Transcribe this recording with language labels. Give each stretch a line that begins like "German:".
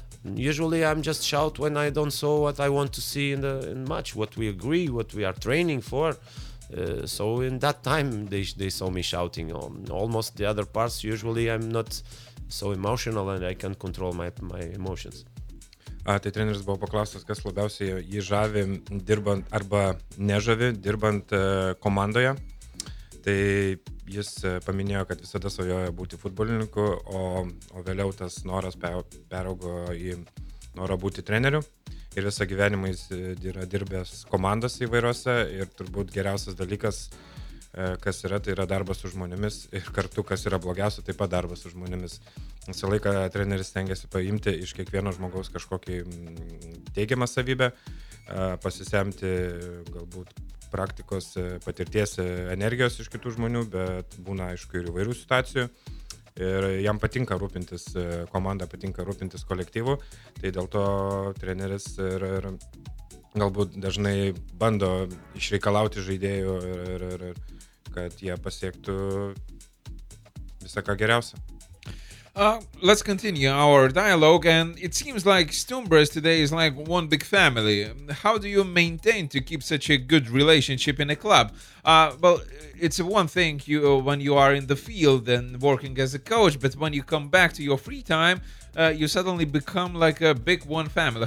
English: Usually I'm just shout when I don't saw what I want to see in match, what we agree, what we are training for. So in that time they saw me shouting on almost the other parts. Usually I'm not so emotional and I can't control my emotions.
Lithuanian: Tai treneris buvo paklaustas, kas labiausiai jį žavi dirbant arba nežavi dirbant komandoje. Tai jis paminėjo, kad visada svajojo būti futbolininku, o vėliau tas noras peraugo į norą būti treneriu. Ir visą gyvenimą jis yra dirbęs komandose įvairiose, ir turbūt geriausias dalykas, kas yra, tai yra darbas su žmonėmis, ir kartu, kas yra blogiausia, taip pat darbas su žmonėmis. Visą laiką treneris stengiasi paimti iš kiekvieno žmogaus kažkokį teigiamą savybę, pasisemti galbūt praktikos patirties energijos iš kitų žmonių, bet būna aišku ir įvairių situacijų. Ir jam patinka rūpintis komanda, patinka rūpintis kolektyvu, tai dėl to treneris ir galbūt dažnai bando išreikalauti žaidėjų, kad jie pasiektų visą ką geriausia.
English: Let's continue our dialogue, and it seems like Stumbras today is like one big family. How do you maintain to keep such a good relationship in a club? Well, it's one thing you when you are in the field and working as a coach, but when you come back to your free time, you suddenly become like a big one family.